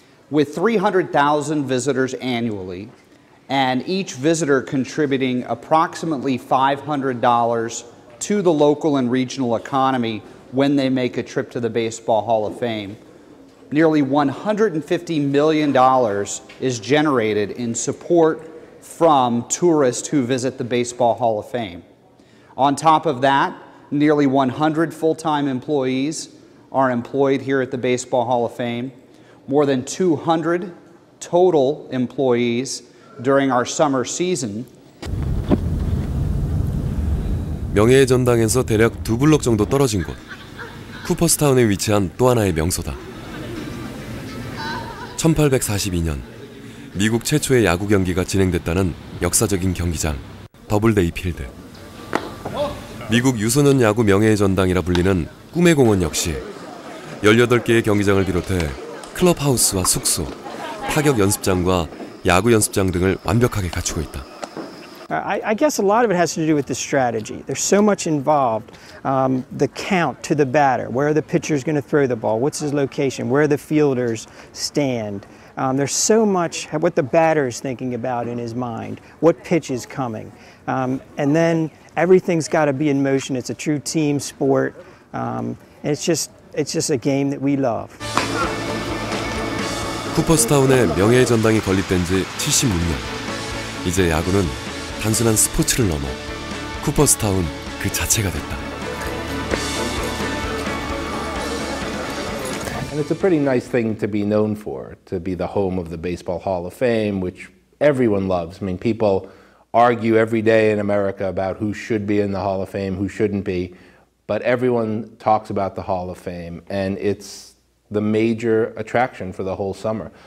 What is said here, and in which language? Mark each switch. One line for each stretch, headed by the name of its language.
English: With 300,000 visitors annually, and each visitor contributing approximately $500 to the local and regional economy when they make a trip to the Baseball Hall of Fame, nearly $150 million is generated in support from tourists who visit the Baseball Hall of Fame. On top of that, nearly 100 full-time employees are employed here at the Baseball Hall of Fame. More than 200 total employees during our summer season.
Korean: 명예의 전당에서 대략 두 블록 정도 떨어진 곳, 쿠퍼스타운에 위치한 또 하나의 명소다. 1842년, 미국 최초의 야구 경기가 진행됐다는 역사적인 경기장, 더블데이 필드. 미국 유소년 야구 명예의 전당이라 불리는 꿈의 공원 역시 18개의 경기장을 비롯해 클럽하우스와 숙소, 타격 연습장과 야구 연습장 등을 완벽하게 갖추고 있다.
English: I guess a lot of it has to do with the strategy. There's so much involved. The count to the batter. Where are the pitchers going to throw the ball? What's his location? Where are the fielders stand? There's so much what the batter is thinking about in his mind. What pitch is coming? And then everything's got to be in motion. It's a true team sport. It's just a game that we love.
Korean: 쿠퍼스타운의 명예의 전당이 건립된 지 76년. 이제 야구는 단순한 스포츠를 넘어 쿠퍼스타운 그 자체가 됐다.
English: And it's a pretty nice thing to be known for, to be the home of the Baseball Hall of Fame, which everyone loves. I mean, people argue every day in America about who should be in the Hall of Fame, who shouldn't be, but everyone talks about the Hall of Fame, and it's the major attraction for the whole summer.